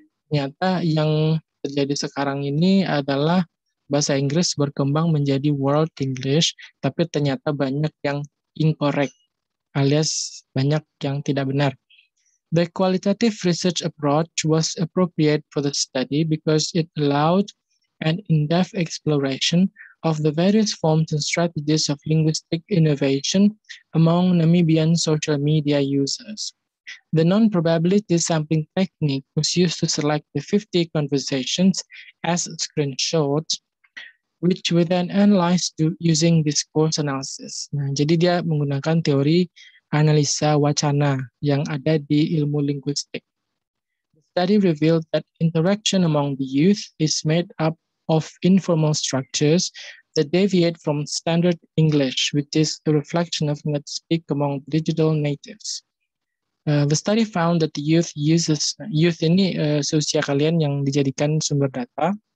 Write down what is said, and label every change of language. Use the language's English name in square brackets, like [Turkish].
[Indonesian] Ternyata yang terjadi sekarang ini adalah bahasa Inggris berkembang menjadi world English, tapi ternyata banyak yang incorrect, alias banyak yang tidak benar. [English] The qualitative research approach was appropriate for the study because it allowed an in-depth exploration of the various forms and strategies of linguistic innovation among Namibian social media users. The non-probability sampling technique was used to select the 50 conversations as screenshots, which were then analyzed using discourse analysis. [Indonesian] Nah, jadi dia menggunakan teori analisa wacana yang ada di ilmu linguistik. [English] The study revealed that interaction among the youth is made up of informal structures that deviate from standard English, which is a reflection of not speak among digital natives. The study found that the youth uses, [Indonesian] youth ini seusia kalian yang dijadikan sumber data.